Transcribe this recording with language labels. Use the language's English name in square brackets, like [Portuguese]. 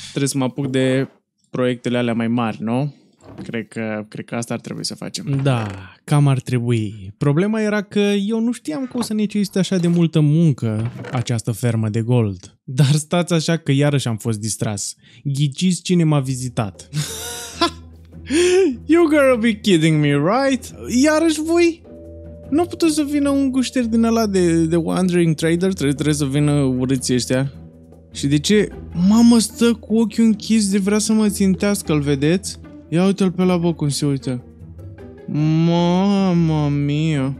[Romanian] Trebuie să mă apuc de proiectele alea mai mari, nu? Cred că asta ar trebui să facem. Da, cam ar trebui. Problema era că eu nu știam că o să necesite așa de multă muncă această fermă de gold. Dar stați așa că iarăși am fost distras. Ghiciți cine m-a vizitat. [English] You gotta be kidding me, right? [Romanian] Iarăși voi? Nu puteți să vină un gușter din ăla de Wandering Trader? Trebuie să vină urâții ăștia. Și de ce? Mamă, stă cu ochiul închis de vrea să mă țintească, îl vedeți? Ia uite-l pe la bă cum se uită. [Italian] Mama mia.